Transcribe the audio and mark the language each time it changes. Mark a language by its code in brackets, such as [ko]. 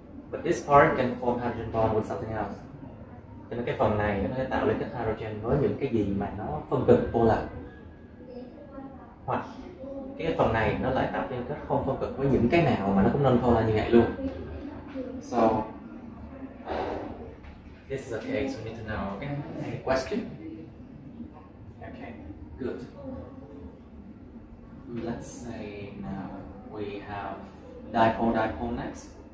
[en] But this part can form hydrogen bond with something else. [vi] Cho nên cái phần này nó sẽ tạo liên kết hydrogen với những cái gì mà nó phân cực polar. Hoặc cái phần này nó lại tạo liên kết không phân cực với những cái nào mà nó cũng non-polar như vậy luôn. [en] So this is a case we need to know. Okay. Any question? Okay. Good. Let's say now we have dipole next.